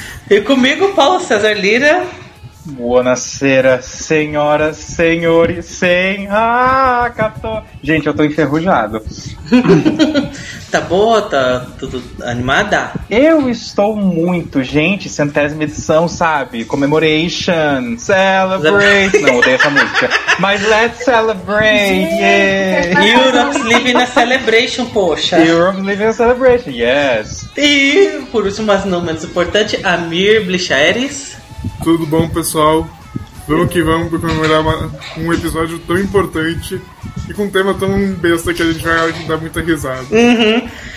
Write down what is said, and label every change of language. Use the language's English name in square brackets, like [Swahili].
[Portuguese] E comigo, Paulo César Lira. Buonasera, senhoras, senhores, sem... Ah, catô! Gente, eu tô enferrujado. Tá boa? Tá tudo animada? Eu estou muito, gente, 100ª edição, sabe? [English] Commemoration, celebrate... [Portuguese] Não, odeio essa música. Mas [English] let's celebrate, yeah! Europe's living a celebration, poxa! Europe's living a celebration, yes! [Portuguese] E, por último, mas não menos importante, Amir Blixaeris... Tudo bom, pessoal? Vamos que vamos para comemorar um episódio tão importante e com um tema tão besta que a gente vai dar muita risada. Uhum.